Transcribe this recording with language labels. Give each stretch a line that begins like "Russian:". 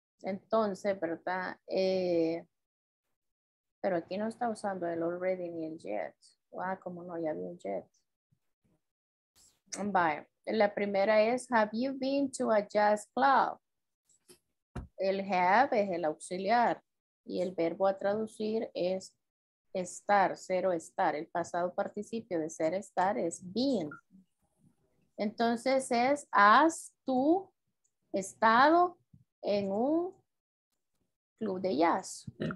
Spanish: Entonces, ¿verdad? Pero aquí no está usando el already ni el yet. Mm-hmm. Ah, como no, ya vi un jet. Bye. La primera es,
English: have you been to a jazz club?
Spanish: El have es el auxiliar. Y el verbo a traducir es estar, ser o estar. El pasado participio de ser estar es been. Entonces es, has tú estado en un club de jazz.